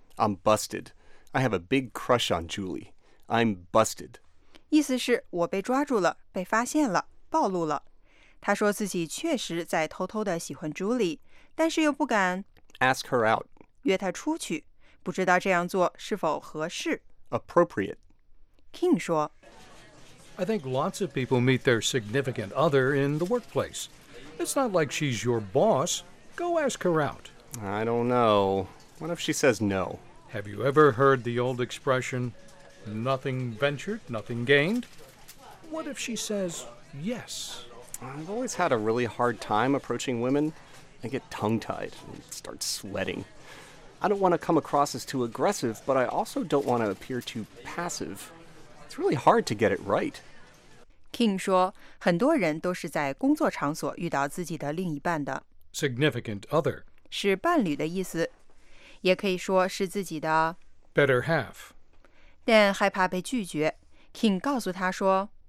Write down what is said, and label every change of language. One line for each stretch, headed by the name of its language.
English: I'm busted. I have a big crush on Julie. I'm busted.
Chinese: 意思是我被抓住了，被发现了，暴露了。他说自己确实在偷偷的喜欢 Julie, 但是又不敢
English: Ask her out.
Chinese: 约她出去，不知道这样做是否合适。
English: Appropriate.
Chinese: King 说
English: I think lots of people meet their significant other in the workplace. It's not like she's your boss. Go ask her out. I don't know. What if she says no? Have you ever heard the old expression, nothing ventured, nothing gained? What if she says yes? I've always had a really hard time approaching women. I get tongue-tied and start sweating. I don't want to come across as too aggressive, but I also don't want to appear too passive. It's really hard to get it right.
Chinese: King 说，很多人都是在工作场所遇到自己的另一半的。
English: Significant other
Chinese: 是伴侣的意思，也可以说是自己的
English: better half.
Chinese: Dan 害怕被拒绝 ，King 告诉他说